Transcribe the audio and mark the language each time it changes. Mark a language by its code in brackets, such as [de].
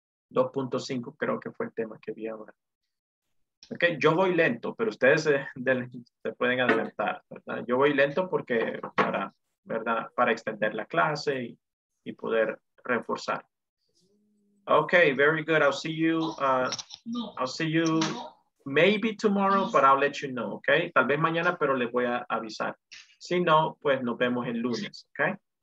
[es] 2.5 creo que fue el tema que vi ahora. Ok, yo voy lento, pero ustedes se pueden adelantar, ¿verdad? Yo voy lento porque para extender la clase y poder reforzar. [en] Ok, very good. I'll see you maybe tomorrow, but I'll let you know, ok? [es] Tal vez mañana, pero les voy a avisar. Si no, pues nos vemos el lunes, ok?